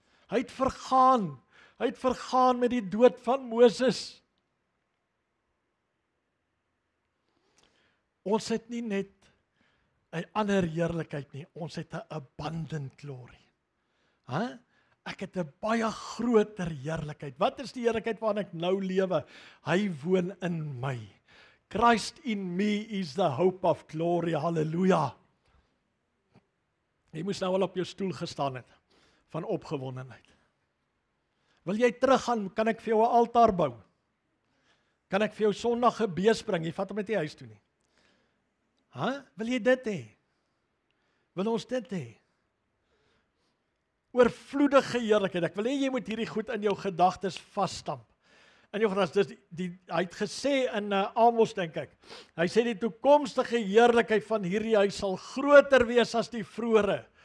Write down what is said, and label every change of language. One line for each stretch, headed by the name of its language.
Afrikaans: Hy het vergaan. Hy het vergaan met die dood van Moses. Ons het nie net 'n ander heerlikheid nie, ons het 'n
English: abundant glory.
Afrikaans: Ha? Ek het 'n baie groter heerlikheid. Wat is die heerlikheid waarin ek nou lewe? Hy woon in my.
English: Christ in me is the hope of glory.
Afrikaans: Halleluja. Jy moes nou al op jou stoel gestaan het van opgewondenheid. Wil jy teruggaan, kan ek vir jou 'n altaar bou? Kan ek vir jou Sondag gebees bring? Jy vat hom net nie huis toe nie. Ha? Wil jy dit hê? Wil ons dit hê? Oorvloedige heerlikheid. Ek wil hê jy moet hierdie goed in jou gedagtes vasstamp. In jou gedagtes, hy het gesê in Amos, denk ek, hy sê die toekomstige heerlikheid van hierdie huis sal groter wees as die vroeëre.